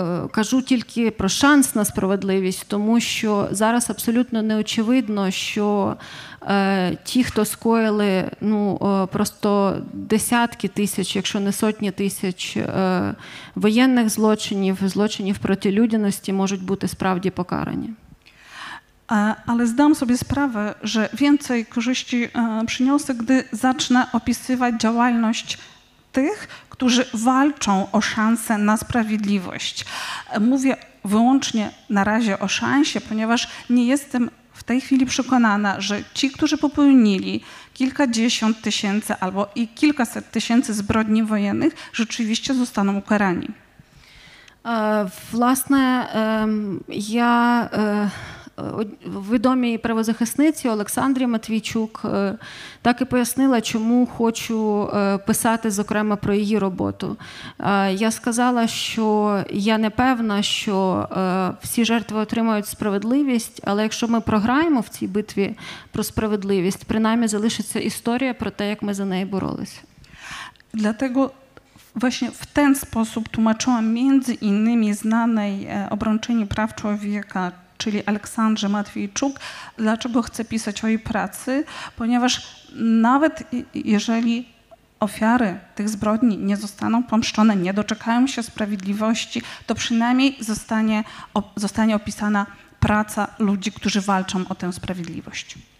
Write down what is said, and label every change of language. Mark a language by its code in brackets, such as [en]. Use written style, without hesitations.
[uk] Кажу тільки про шанс на справедливість, тому що зараз абсолютно неочевидно, що ті, хто скоїли просто десятки тисяч, якщо не сотні тисяч воєнних злочинів, злочинів проти людяності, можуть бути справді покарані. [pl] Ale zdałam sobie sprawę, że więcej korzyści przyniosę, gdy zacznę opisywać działalność tych, którzy walczą o szansę na sprawiedliwość. Mówię wyłącznie na razie o szansie, ponieważ nie jestem w tej chwili przekonana, że ci, którzy popełnili kilkadziesiąt tysięcy albo i kilkaset tysięcy zbrodni wojennych, rzeczywiście zostaną ukarani. [uk] Власне, ja... Відомій правозахисниці Олександрі Матвійчук так і пояснила, чому хочу писати, зокрема, про її роботу. Я сказала, що я не певна, що всі жертви отримають справедливість, але якщо ми програємо в цій битві про справедливість, принаймні залишиться історія про те, як ми за неї боролися. [pl] Dlatego właśnie w ten sposób tłumaczyłam między innymi znanej obrończyni praw człowieka, czyli Aleksandrze Matwiejczuk, dlaczego chce pisać o jej pracy, ponieważ nawet jeżeli ofiary tych zbrodni nie zostaną pomszczone, nie doczekają się sprawiedliwości, to przynajmniej zostanie opisana praca ludzi, którzy walczą o tę sprawiedliwość.